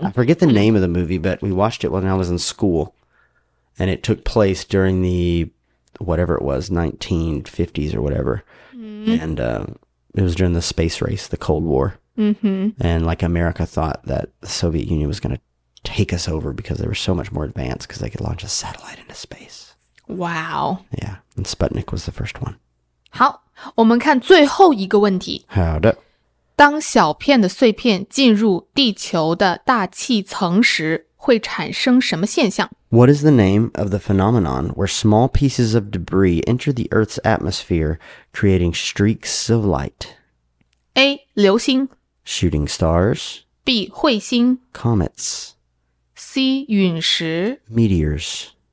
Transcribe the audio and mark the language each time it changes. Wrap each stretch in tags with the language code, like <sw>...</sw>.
<en>Yeah, I forget the name of the movie, but we watched it when I was in school. And it took place during the, whatever it was, 1950s or whatever. Mm-hmm. And it was during the space race, the Cold War. Mm-hmm. And like America thought that the Soviet Union was going to take us over because they were so much more advanced because they could launch a satellite into space. Wow. Yeah. And Sputnik was the first one.</en> <zh>好，我们看最后一个问题。好的。当小片的碎片进入地球的大气层时，会产生什么现象？</zh> <en>What is the name of the phenomenon where small pieces of debris enter the Earth's atmosphere, creating streaks of light?</en> <zh>A. 流星</zh> <en>Shooting stars</en> <zh>B. 彗星</zh> <en>Comets</en> <zh>C. 陨石</zh> <en>Meteors</en>